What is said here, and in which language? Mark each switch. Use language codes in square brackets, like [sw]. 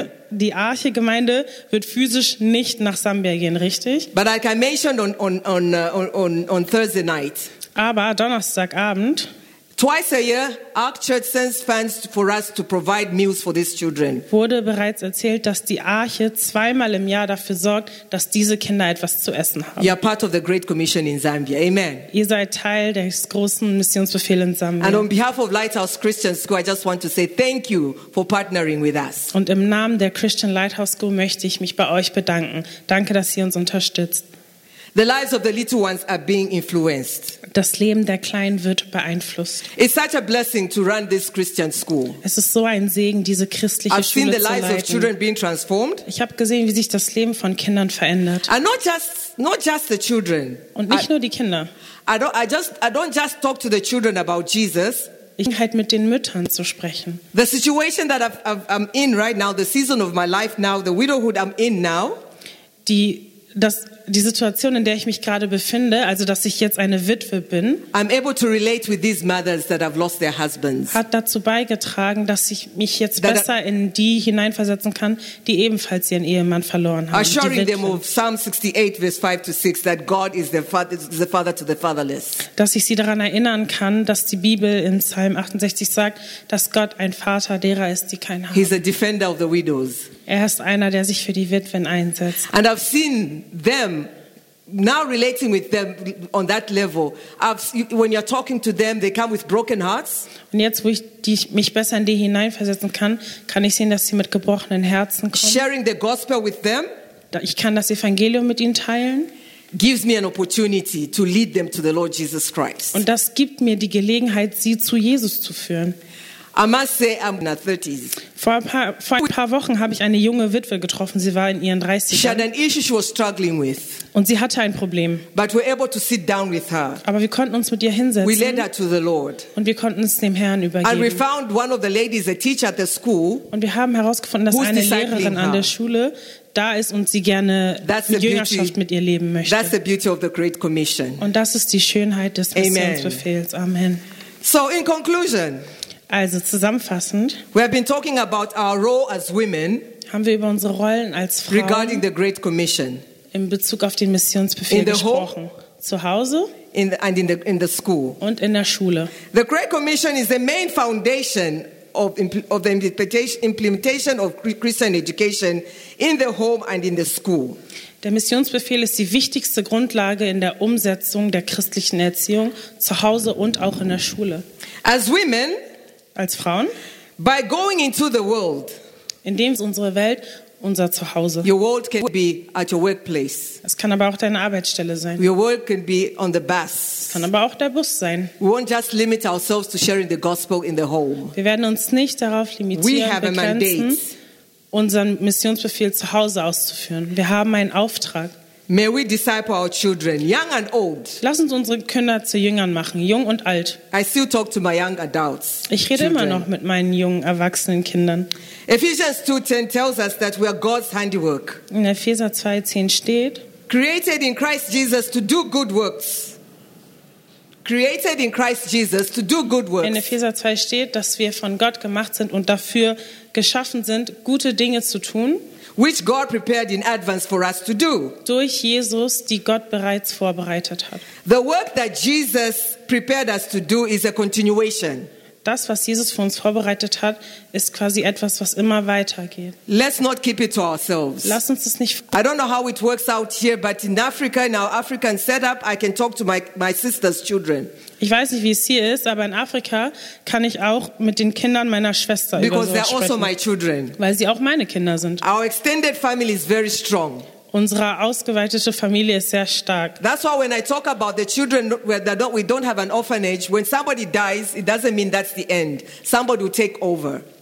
[de] Die Arche-Gemeinde wird physisch nicht nach Sambia gehen, richtig? [en] But like I mentioned on Thursday night. [de] Aber Donnerstagabend. [en] Twice a year, Ark Church sends funds for us to provide meals for these children. [de] Wurde bereits erzählt, dass die Arche zweimal im Jahr dafür sorgt, dass diese Kinder etwas zu essen haben. [en] You are part of the Great Commission in Zambia. Amen. [de] Ihr seid Teil des großen Missionsbefehls in Sambia. [en] And on behalf of Lighthouse Christian School, I just want to say thank you for partnering with us. [de] Und im Namen der Christian Lighthouse School möchte ich mich bei euch bedanken. Danke, dass ihr uns unterstützt. [en] The lives of the little ones are being influenced. [de] Das Leben der Kleinen wird beeinflusst. [en] It's such a blessing to run this Christian school. [de] Es ist so ein Segen, diese christliche [en] I've [de] Schule [en] seen the [de] zu [en] lives [de] leiten. [en] Of children being transformed. [de] Ich habe gesehen, wie sich das Leben von Kindern verändert. [en] And not just the children. [de] Und nicht nur die Kinder. [en] I don't just talk to the children about Jesus. [de] Halt mit den Müttern zu sprechen. [en] The situation that I'm in right now, the season of my life now, the widowhood I'm in now. [de] Die dass die Situation, in der ich mich gerade befinde, also dass ich jetzt eine Witwe bin, [en] I'm able to relate with these mothers that have lost their husbands. [de] Hat dazu beigetragen, dass ich mich jetzt that besser in die hineinversetzen kann, die ebenfalls ihren Ehemann verloren haben. [en] Assuring them of Psalm 68, verse 5 to 6, that God is the father to the fatherless. [de] Dass ich sie daran erinnern kann, dass die Bibel in Psalm 68 sagt, dass Gott ein Vater derer ist, die keinen haben. [en] He's a defender of the widows. [de] Er ist einer, der sich für die Witwen einsetzt. [en] And I've seen them. Now relating with them on that level, when you're talking to them, they come with broken hearts. [de] Und jetzt, wo ich mich besser in die hineinversetzen kann, kann ich sehen, dass sie mit gebrochenen Herzen kommen. [en] Sharing the gospel with them, [de] ich kann das Evangelium mit ihnen teilen, [en] gives me an opportunity to lead them to the Lord Jesus Christ. [de] Und das gibt mir die Gelegenheit, sie zu Jesus zu führen. [en] I must say I'm in her 30s. [de] Vor ein paar Wochen habe ich eine junge Witwe getroffen. Sie war in ihren 30ern. [en] She had an issue she was struggling with. [de] Und sie hatte ein Problem. [en] But we're able to sit down with her. [de] Aber wir konnten uns mit ihr hinsetzen. [en] We led her to the Lord. [de] Und wir konnten es dem Herrn übergeben. [en] And we found one of the ladies, a teacher at the school. [de] Und wir haben herausgefunden, dass eine Lehrerin an der Schule da ist und sie gerne Jüngerschaft mit ihr leben möchte. [en] That's the beauty of the Great Commission. [de] Und das ist die Schönheit des Missionsbefehls. [en] Amen. So in conclusion. [de] Also zusammenfassend, [en] we have been talking about our role as women, [de] haben wir über unsere Rollen als Frauen [en] regarding the Great Commission, [de] in Bezug auf den Missionsbefehl gesprochen, zu Hause [en] in the school. [de] Und in der Schule. [en] The Great Commission is the main foundation of the implementation of Christian education in the home and in the school. [de] Der Missionsbefehl ist die wichtigste Grundlage in der Umsetzung der christlichen Erziehung zu Hause und auch in der Schule. [en] As women, [de] als Frauen, [en] by going into the world, [de] indem unsere Welt unser Zuhause. [en] Your world can be at your workplace. [de] Es kann aber auch deine Arbeitsstelle sein. [en] Your world can be on the bus. [de] Es kann aber auch der Bus sein. [en] We won't just limit ourselves to sharing the gospel in the home. [de] Wir werden uns nicht darauf limitieren, begrenzen, unseren Missionsbefehl zu Hause auszuführen. Wir haben einen Auftrag. [en] May we disciple our children, young and old. [de] Lass uns unsere Kinder zu Jüngern machen, jung und alt. [en] I still talk to my young adults. [de] Ich rede immer noch mit meinen jungen erwachsenen Kindern. [en] Ephesians 2:10 tells us that we are God's handiwork. [de] In Epheser 2:10 steht, [en] created in Christ Jesus to do good works. Created in Christ Jesus to do good works. [de] In Epheser 2 steht, dass wir von Gott gemacht sind und dafür geschaffen sind, gute Dinge zu tun. [en] Which God prepared in advance for us to do. [de] Durch Jesus, die Gott bereits vorbereitet hat. [en] The work that Jesus prepared us to do is a continuation. [de] Das, was Jesus für uns vorbereitet hat, ist quasi etwas, was immer weitergeht. [en] Let's not keep it to ourselves. [de] Lass uns das nicht. [en] I don't know how it works out here, but in Africa, in our African setup, I can talk to my sister's children. [de] Ich weiß nicht, wie es hier ist, aber in Afrika kann ich auch mit den Kindern meiner Schwester über sowas sprechen. [en] Also my children. [de] Weil sie auch meine Kinder sind. [en] Our extended family is very strong. [de] Unsere ausgeweitete Familie ist sehr stark. [en] That's why when I talk about the children that we don't have an orphanage, when somebody dies, it doesn't mean that's the end. Somebody will take over.